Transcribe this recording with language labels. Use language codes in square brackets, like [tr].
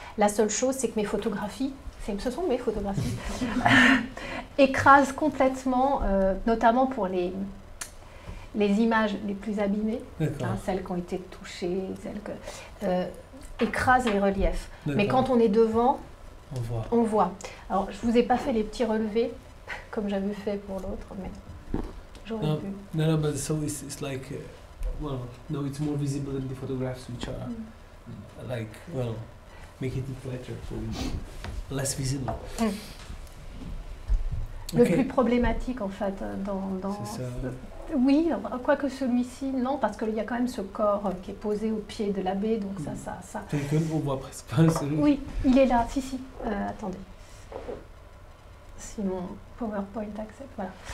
[fr] La seule chose, c'est que ce sont mes photographies, écrasent complètement, notamment pour les images les plus abîmées, hein, celles qui ont été touchées, écrasent les reliefs. D'accord. Mais quand on est devant, on voit. Alors, je ne vous ai pas fait les petits relevés, comme j'avais fait pour l'autre, mais j'aurais pu. Non, mais [en] so it's like, well, no, it's more visible than the photographs which are like, well, making it better for you. Less visible. Mm. [fr] Le plus problématique, en fait, dans oui, quoique celui-ci, non, parce qu'il y a quand même ce corps qui est posé au pied de l'abbé, donc ça. C'est comme on voit presque pas celui-là. Oui, il est là, si. Attendez. Si mon PowerPoint accepte, voilà.